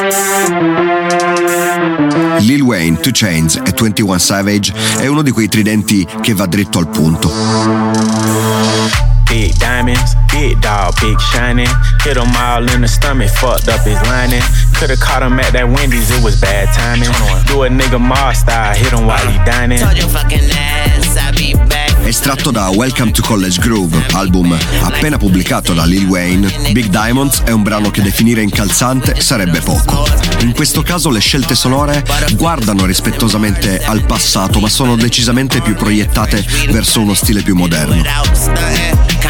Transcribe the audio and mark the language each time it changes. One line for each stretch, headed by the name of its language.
Italian: Lil Wayne, 2 Chainz e 21 Savage è uno di quei tridenti che va dritto al punto.
English: Big diamonds, big dog, big shining. Hit him all in the stomach, fucked up his lining. Could've caught him at that Wendy's, it was bad timing. Do a nigga mob style, hit him while he dining. Told your fucking ass, I be back.
Italian: Estratto da Welcome to College Groove, album appena pubblicato da Lil Wayne, Big Diamonds è un brano che definire incalzante sarebbe poco. In questo caso le scelte sonore guardano rispettosamente al passato, ma sono decisamente più proiettate verso uno stile più moderno.